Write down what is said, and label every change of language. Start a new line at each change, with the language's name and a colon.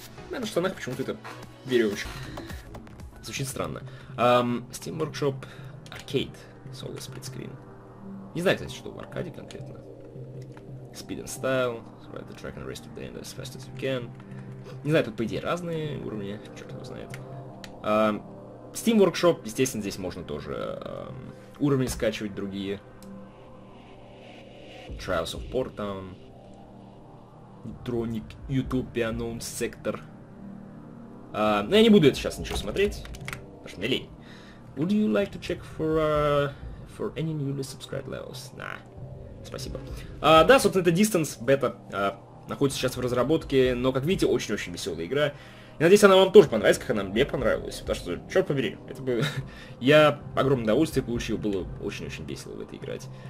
Russian: Да, на штанах почему-то это веревочка. Звучит странно.
English: Steam Workshop Arcade Solo Split Screen.
Russian: Не знаю, кстати, что в аркаде конкретно.
English: Speed and Style. Ride the track and race to the end as fast as you can.
Russian: Не знаю, тут по идее разные уровни. Черт его знает. Steam Workshop, естественно, здесь можно тоже уровни скачивать другие.
English: Trials of Portown. Neutronic YouTube Unknown Sector.
Russian: Но я не буду это сейчас ничего смотреть. Потому что мне лень.
English: Would you like to check for any newly subscribed levels? Nah.
Russian: Спасибо. Да, собственно, это Distance Beta. Находится сейчас в разработке. Но, как видите, очень-очень веселая игра. Я надеюсь, она вам тоже понравится, как она мне понравилась. Потому что, черт побери, это бы... я огромное удовольствие получил. Было очень-очень весело в это играть.